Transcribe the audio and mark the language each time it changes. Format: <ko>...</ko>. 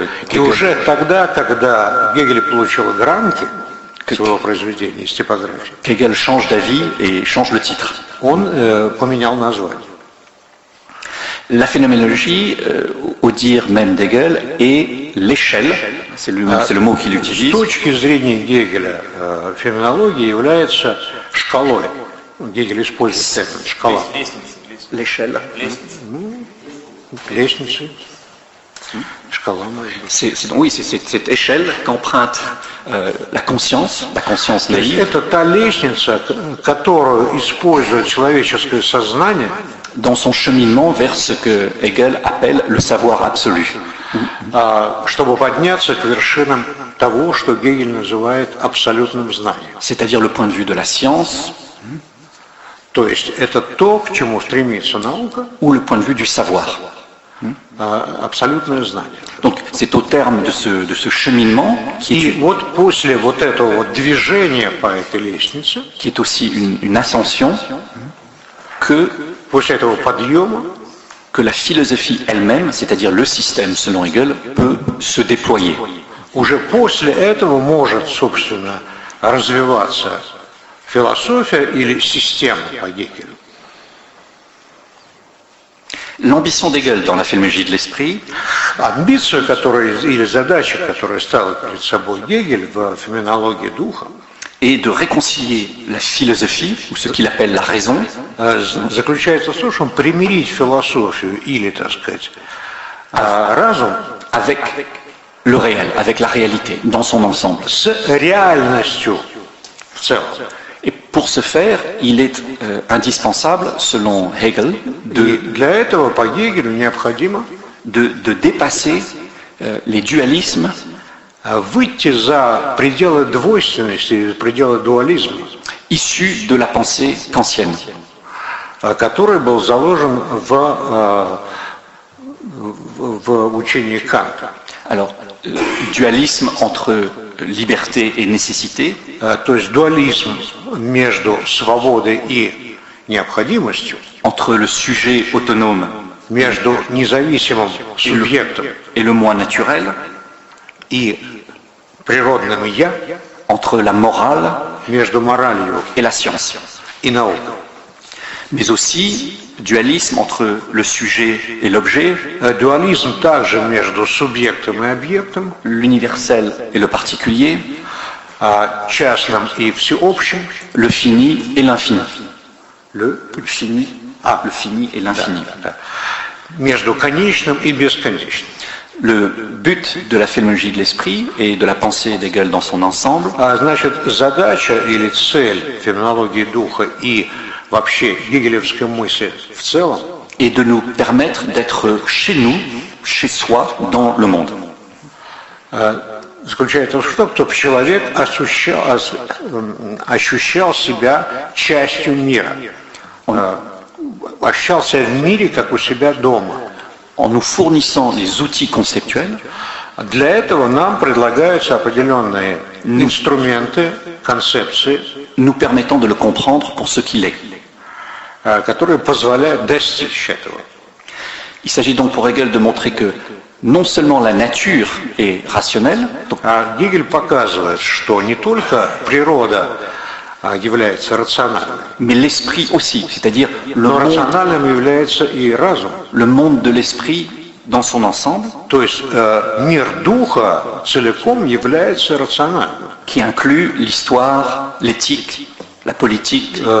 <ru>И уже тогда, когда Гегель получил гранки своего произведения из типографии,</ru> <fr>Hegel change d'avis et change le titre.</fr> <ru>Он поменял название.</ru> <fr>La phénoménologie, au dire même d'Hegel, est l'échelle, c'est le mot qu'il utilise.</fr> <ru>С точки зрения Гегеля, феноменология является шкалой. Гегель использует термин «шкала». Лестница. Лешелла. Лестница. Шкала.</ru> <fr>C'est échelle qu'emprunte la conscience naïve.</fr> <ru>Это та лестница, которую использует человеческое сознание</ru> <fr>dans son cheminement vers ce que Hegel appelle le savoir absolu.</fr> <ru>Чтобы подняться к вершинам того, что Гегель называет абсолютным знанием.</ru> <fr>C'est-à-dire le point de vue de la science.</fr> <ru>То есть это то, к чему стремится наука,</ru> <fr>ou le point de vue du savoir.</fr> <ru>Абсолютное знание.</ru> <fr>Donc, c'est au terme de ce cheminement qui est...</fr> <ru>вот после вот этого вот движения по этой лестнице,</ru> <fr>qui est aussi une ascension, que</fr> <ru>после этого подъема,</ru> <fr>que la philosophie elle-même, c'est-à-dire le système selon Hegel, peut se déployer.</fr> <ru>Уже после этого может, собственно, развиваться философия или система по Гегелю?</ru> <fr>L'ambition d'Hegel dans la phénoménologie de l'esprit,</fr> <ru>амбиция, которая или задача, которая стала перед собой Гегель в феноменологии духа,</ru> <fr>est de réconcilier la philosophie, ou ce qu'il appelle la raison,</fr> <ru>заключается в том, чтобы примирить философию или, так сказать, разум</ru> <fr>avec le réel, avec la réalité dans son ensemble.</fr> <ru>С реальностью в целом.</ru> <fr>Et pour ce faire, il est indispensable, selon Hegel, de,</fr> <ru>для этого, по Гегелю, необходимо</ru> <fr>de dépasser les dualismes,</fr> <ru>выйти за пределы двойственности, пределы дуализма,</ru> <fr>issus de la pensée kantienne,</fr> <ru>который был заложен в, в учении Канта.</ru> <fr>Alors, dualisme entre liberté et nécessité,</fr> <ru>то есть дуализм между свободой и необходимостью,</ru> <fr>entre le sujet autonome,</fr> <ru>между независимым субъектом</ru> <fr>et le moi naturel,</fr> <ru>и природным я,</ru> <fr>entre la morale,</fr> <ru>между моралью</ru> <fr>et la science,</fr> <ru>и наукой.</ru> <fr>Mais aussi dualisme entre le sujet et l'objet,</fr> <ru>dualisme также между субъектом и объектом,</ru> <fr>l'universel et le particulier,</fr> <ru>частным и всеобщим,</ru> <fr>le fini et l'infini, le fini, le fini et l'infini,</fr> <ru>между конечным и бесконечным.</ru> <fr>Le but de la phénoménologie de l'esprit et de la pensée d'Hegel dans son ensemble,</fr> <ru>значит задача или цель феноменологии духа и вообще гегелевской мысли в целом,</ru> <fr>et de nous permettre d'être chez nous, chez soi, dans le monde.</fr> <ru>Заключается в том, чтобы человек ощущал себя частью мира, ощущался в мире как у себя дома.</ru> <fr>En nous fournissant les outils conceptuels,</fr> <ru>для этого нам предлагаются определенные инструменты, концепции,</ru> <fr>nous permettant de le comprendre pour ce qu'il est,</fr> <ru>которые позволяют достичь этого.</ru> <fr>Il s'agit donc pour Hegel de montrer que non seulement la nature est rationnelle,</fr> <ru>Гегель показывает, что не только природа является рациональным,</ru> <fr>mais l'esprit aussi, c'est-à-dire le monde,</fr> <ru>рациональным является и разум,</ru> <fr>le monde de l'esprit dans son ensemble,</fr> <ru>то есть мир духа целиком является рациональным,</ru> <fr>qui inclut l'histoire, l'éthique, la politique,</fr>